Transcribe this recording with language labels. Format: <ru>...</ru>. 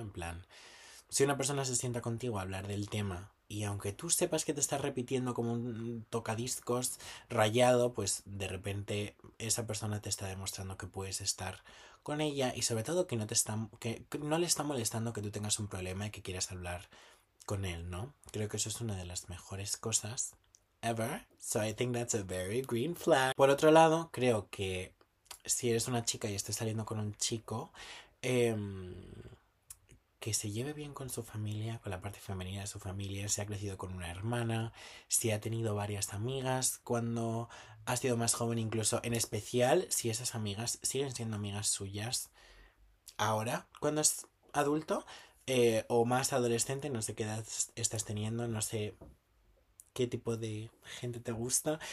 <es>En plan, si una persona se sienta contigo a hablar del tema y aunque tú sepas que te estás repitiendo como un tocadiscos rayado, pues de repente esa persona te está demostrando que puedes estar con ella y sobre todo que no te está, que no le está molestando que tú tengas un problema y que quieras hablar con él, ¿no? Creo que eso es una de las mejores cosas ever.</es> <en>So I think that's a very green flag.</en> <es>Por otro lado, creo que si eres una chica y estás saliendo con un chico, que se lleve bien con su familia, con la parte femenina de su familia, si ha crecido con una hermana, si ha tenido varias amigas cuando ha sido más joven, incluso en especial si esas amigas siguen siendo amigas suyas ahora, cuando es adulto, o más adolescente, no sé qué edad estás teniendo, no sé qué tipo de gente te gusta.</es>